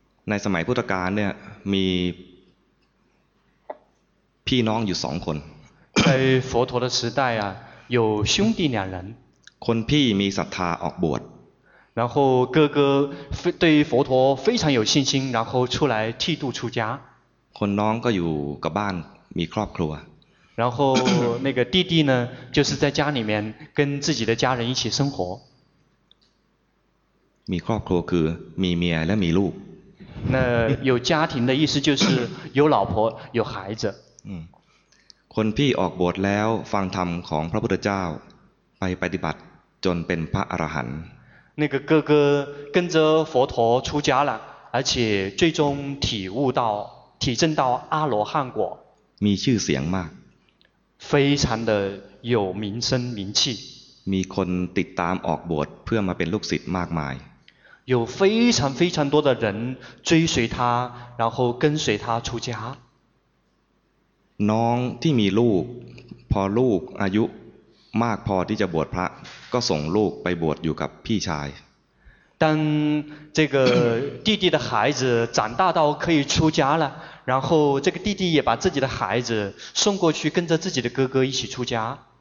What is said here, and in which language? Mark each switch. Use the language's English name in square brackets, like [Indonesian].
[Thai] ในสมัยพุทธกาลเนี่ยมีพี่น้องอยู่สองคน [Chinese] 在佛陀的时代啊有兄弟两人 [Thai] คนพี่มีศรัทธาออกบวช [Chinese] 然后哥哥对佛陀非常有信心然后出来剃度出家 [Thai] คนน้องก็อยู่กับบ้านมีครอบครัว [Chinese] 然后那个弟弟呢就是在家里面跟自己的家人一起生活 [Thai] มีครอบครัวคือมีเมียและมีลูก [Chinese] 那有家庭的意思就是有老婆有孩子 [Thai] คนพี่ออกบวชแล้วฟังธรรมของพระพุทธเจ้าไปปฏิบัติจนเป็นพระอรหันต์ [Chinese] 那个哥哥跟着佛陀出家了而且最终体证到阿罗汉果 [Thai] มีชื่อเสียงมาก [Chinese] 非常的有名声名气 [Thai] มีคนติดตามออกบวชเพื่อมาเป็นลูกศิษย์มากมาย [Chinese] 有非常非常多的人追随他然后跟随他出家 [Thai] น้องที่มีลูกพอลูกอายุมากพอที่จะบวชพระก็ส่งลูกไปบวชอยู่กับพี่ชาย [Chinese] 当这个弟弟的孩子长大到可以出家了然后这个弟弟也把自己的孩子送过去跟着自己的哥哥一起出家